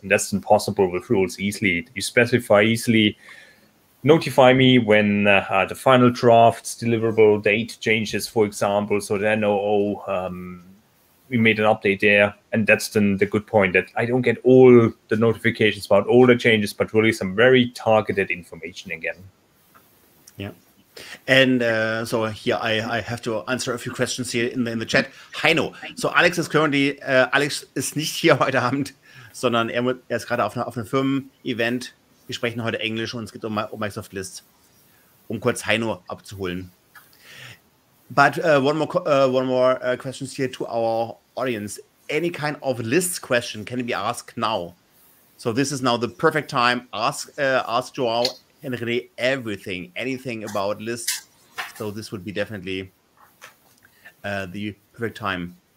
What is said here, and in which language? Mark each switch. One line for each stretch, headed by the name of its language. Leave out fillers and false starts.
English: And that's impossible with rules easily. You specify easily, notify me when the final draft's deliverable date changes, for example, so then, we made an update there. And that's then the good point, that I don't get all the notifications about all the changes, but really some very targeted information again. Yeah. And so here I have to answer a few questions here in the chat.
German: Heino,
English: so Alex is currently
German: Alex ist nicht hier heute Abend, sondern er ist gerade auf einem Firmen-Event. Wir sprechen heute Englisch und es geht um Microsoft Lists, um kurz Heino abzuholen.
English: But one more questions here to our audience. Any kind of lists question can be asked now. So this is now the perfect time. Ask Joao and really anything about lists. So this would be definitely the perfect time.